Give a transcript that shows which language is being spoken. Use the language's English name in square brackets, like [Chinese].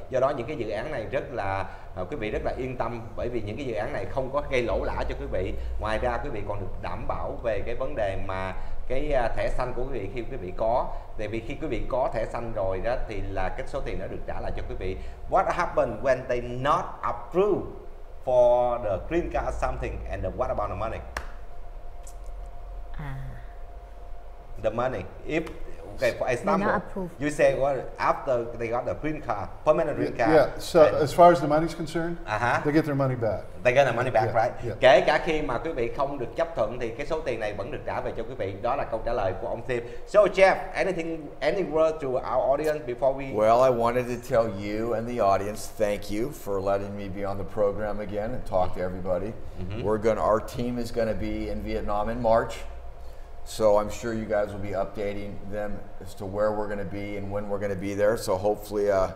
[Vietnamese] Do đó những cái dự án này rất là quý vị rất là yên tâm, bởi vì những cái dự án này không có gây lỗ lã cho quý vị. Ngoài ra quý vị còn được đảm bảo về cái vấn đề mà cái thẻ xanh của quý vị khi quý vị có. Tại vì khi quý vị có thẻ xanh rồi đó thì là cái số tiền đã được trả lại cho quý vị. [English] What happened when they not approve for the green card something, and what about the money? The money, if okay, for example, you say what after they got the green card, permanent green card. Yeah. So as far as the money's concerned, they get their money back. They get their money back, yeah, right? [Vietnamese] Yeah. Kể cả khi mà quý vị không được chấp thuận thì cái số tiền này vẫn được trả về cho quý vị. Đó là câu trả lời của ông Steve. [English] So Jeff, any word to our audience before we? Well, I wanted to tell you and the audience thank you for letting me be on the program again and talk to everybody. Our team is going to be in Vietnam in March. So I'm sure you guys will be updating them as to where we're going to be and when we're going to be there. So hopefully